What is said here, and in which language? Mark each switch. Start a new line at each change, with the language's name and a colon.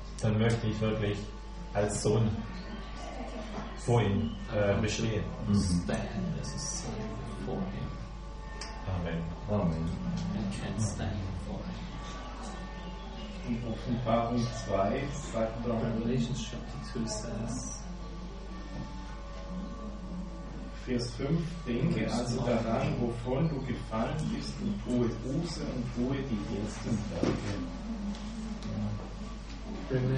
German: dann möchte ich wirklich als Sohn vor ihm bestehen.
English: Stand as a son before him. Amen. Amen. And can stand before him.
German: In Offenbarung 2 sagt der
English: Revelation chapter 2 says,
German: Vers 5, denke also daran, wovon du gefallen bist, und tue Buße und tue die ersten Werke.